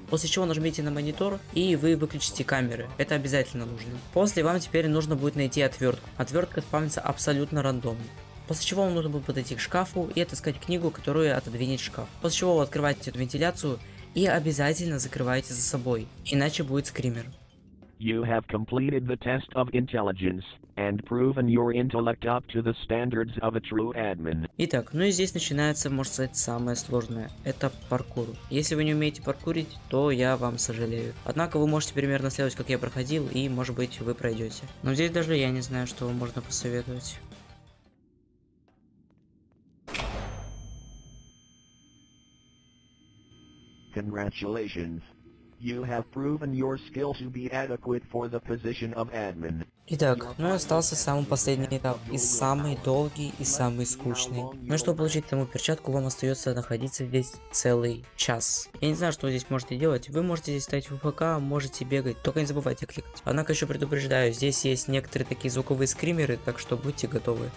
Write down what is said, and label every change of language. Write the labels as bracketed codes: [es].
[ru] После чего нажмите на монитор, и вы выключите камеры. Это обязательно нужно. После вам теперь нужно будет найти отвертку. Отвертка спавнится абсолютно рандомно. После чего вам нужно будет подойти к шкафу и отыскать книгу, которую отодвинет шкаф. После чего вы открываете эту вентиляцию и обязательно закрываете за собой, иначе будет скример. [en] You have completed the test of intelligence and proven your intellect up to the standards of a true admin. [ru] Итак, ну и здесь начинается, может сказать, самое сложное. Это паркур. Если вы не умеете паркурить, то я вам сожалею. Однако вы можете примерно следовать, как я проходил, и, может быть, вы пройдете. Но здесь даже я не знаю, что вам можно посоветовать. [en] Congratulations. You have proven your skill to be adequate for the position of admin. [ru] Итак, ну и остался самый последний этап, и самый долгий, и самый скучный. Ну и чтобы получить саму перчатку, вам остается находиться здесь целый час. Я не знаю, что вы здесь можете делать. Вы можете здесь стоять в ВК, можете бегать, только не забывайте кликать. Однако еще предупреждаю, здесь есть некоторые такие звуковые скримеры, так что будьте готовы.